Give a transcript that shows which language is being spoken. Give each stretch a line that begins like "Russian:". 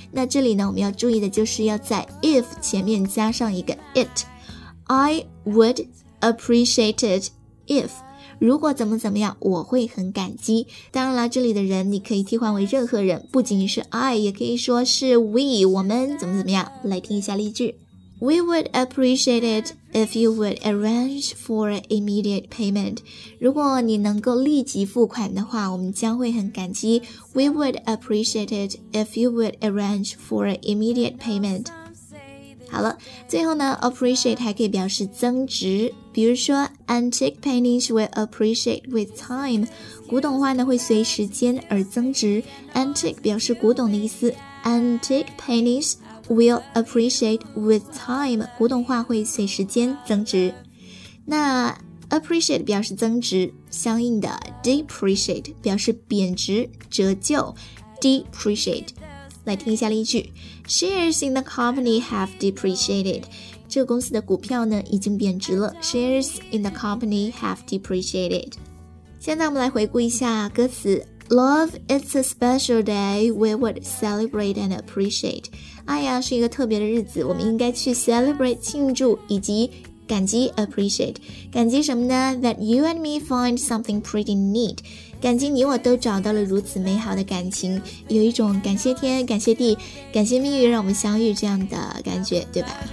Chinese: 那这里呢我们要注意的就是要在 if 前面加上一个 it，
English: I would appreciate it if，
Chinese: 如果怎么怎么样我会很感激。当然了，这里的人你可以替换为任何人，不仅是 I， 也可以说是 we， 我们怎么怎么样。来听一下例句。
English: We would appreciate it if you would arrange for immediate payment，
Chinese: 如果你能够立即付款的话我们将会很感激。
English: We would appreciate it if you would arrange for immediate payment。
Chinese: 好了，最后呢 appreciate 还可以表示增值，比如说
English: antique paintings will appreciate with time，
Chinese: 古董画呢会随时间而增值。 antique 表示古董的意思，
English: antique paintingsWill appreciate with time，
Chinese: 古董画会随时间增值。那 appreciate 表示增值，相应的 depreciate 表示贬值折旧， depreciate。来听一下例句。
English: Shares in the company have depreciated，
Chinese: 这个公司的股票呢已经贬值了。
English: Shares in the company have depreciated。
Chinese: 现在我们来回顾一下歌词。
English: Love, it's a special day, we would celebrate and appreciate。
Chinese: 爱呀是一个特别的日子，我们应该去 celebrate 庆祝以及感激 appreciate。感激什么呢？
English: That you and me find something pretty neat，
Chinese: 感激你我都找到了如此美好的感情，有一种感谢天感谢地感谢命运让我们相遇这样的感觉，对吧？